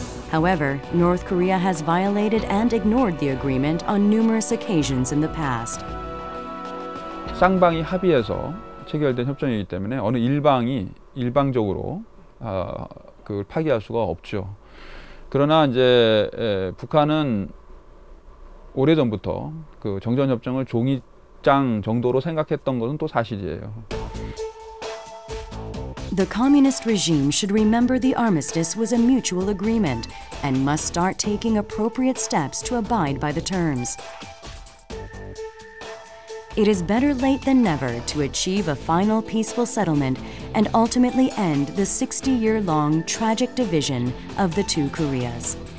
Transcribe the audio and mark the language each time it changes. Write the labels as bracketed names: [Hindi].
[English] However, North Korea has violated and ignored the agreement on numerous occasions in the past. [Korean] 쌍방이 합의해서 체결된 협정이기 때문에 어느 일방이 일방적으로 그걸 파기할 수가 없죠. 그러나 이제 북한은 오래전부터 그 정전 협정을 종이장 정도로 생각했던 것은 또 사실이에요. [English] The communist regime should remember the armistice was a mutual agreement and must start taking appropriate steps to abide by the terms. It is better late than never to achieve a final peaceful settlement and ultimately end the 60-year-long tragic division of the two Koreas.